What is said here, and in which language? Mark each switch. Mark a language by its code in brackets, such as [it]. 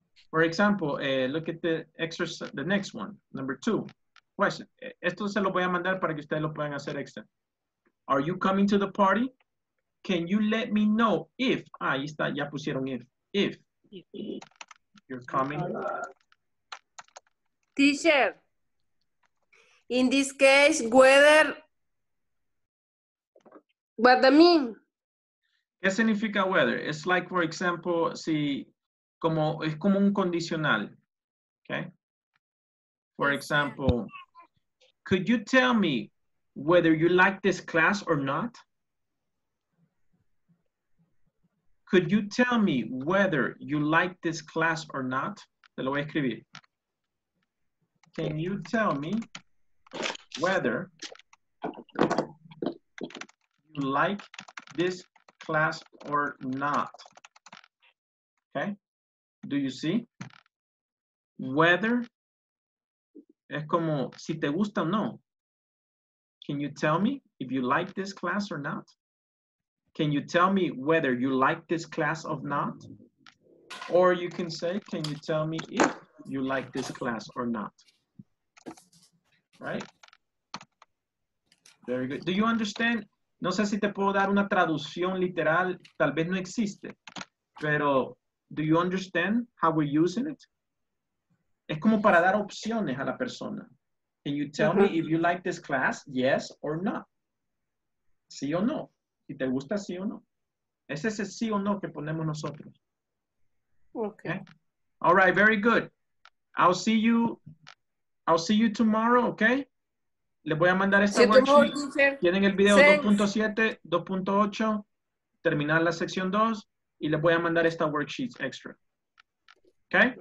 [en] For example, look at the exercise, the next one, number two. Question. [es] Esto se lo voy a mandar para que ustedes lo puedan hacer extra. [en] Are you coming to the party? Can you let me know if, [es] ahí está, ya pusieron [en] if you're coming. Teacher, in this case, whether, what do I mean? [es] ¿Qué significa whether? [en] It's like, for example, [es] si, como, es como un condicional, okay? [en] For example, could you tell me whether you like this class or not? Could you tell me whether you like this class or not? [es] Te lo voy a escribir. [en] Can you tell me whether you like this class or not? Okay. Do you see? [es] Whether es como si te gusta o no. [en] Can you tell me if you like this class or not? Can you tell me whether you like this class or not? Or you can say, can you tell me if you like this class or not? Right? Very good. Do you understand? [es] No sé si te puedo dar una traducción literal. Tal vez no existe. [en] Pero, do you understand how we're using it? [es] Es como para dar opciones a la persona. [en] Can you tell me if you like this class? Yes or no? [es] Sí o no. Si te gusta, sí o no. Es ese sí o no que ponemos nosotros. [en] Okay. Okay. All right, very good. I'll see you tomorrow, okay? [es] Les voy a mandar esta worksheet. Tienen el video 2.7, 2.8, terminar la sección 2, y les voy a mandar esta worksheet extra. Okay?